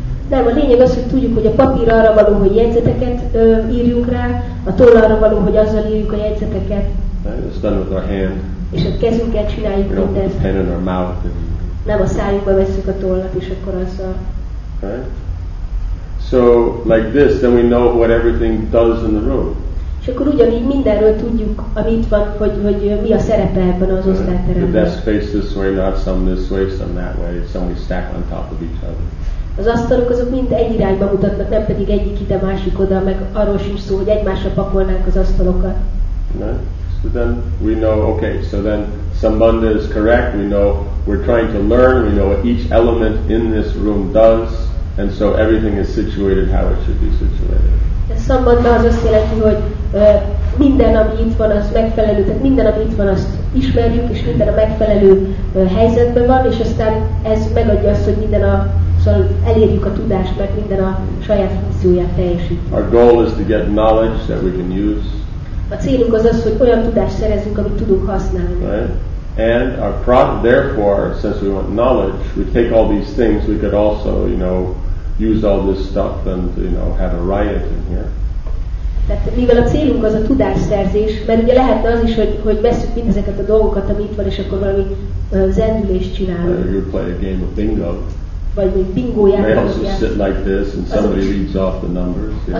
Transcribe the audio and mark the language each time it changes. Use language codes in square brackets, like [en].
[hu] Nem, a lényeg az, hogy tudjuk, hogy a papír arra való, hogy jegyzeteket írjunk rá, a toll arra való, hogy azzal írjuk a jegyzeteket. [en] And it's done with our hand. [hu] És a kezünkkel csináljuk mindezt. [en] Pen in our mouth. [hu] Nem, a szájunkba veszük a tollat, és akkor azzal. [en] Right? So, like this, then we know what everything does in the room. [hu] És akkor ugyanígy mindenről tudjuk, amit van, hogy mi a szerepe ebben az osztályteremben. [en] The desk face this way, not some this way, some that way, some we stack on top of each other. [hu] Az asztalok azok mind egy irányba mutatnak, nem pedig egyik ide, másik oda, meg arról sincs szó, hogy egymásra pakolnánk az asztalokat. [en] No? So then we know, okay, so then Sambandha is correct, we know we're trying to learn, we know what each element in this room does, and so everything is situated how it should be situated. [hu] Ez szabadna az azt jelenti, hogy minden, ami itt van, az megfelelő, tehát minden, ami itt van, azt ismerjük, és minden a megfelelő helyzetben van, és aztán ez megadja azt, hogy minden szóval elérjük a tudást, mert minden a saját funkcióját teljesít. [en] Our goal is to get knowledge that we can use. [hu] A célunk az, hogy olyan tudást szerezzünk, amit tudunk használni. [en] Right? And our therefore, since we want knowledge, we take all these things, we could also, you know, use all this stuff and, you know, have a riot in here. [hu] Tehát mivel a célunk az a tudásszerzés, mert ugye lehetne az is, hogy veszünk mindezeket a dolgokat, ami itt van, és akkor valami zendülést csinálunk. [en] You play a game of bingo. [hu] Vagy még bingo játékot. [en] You may also sit like this and somebody reads off the numbers.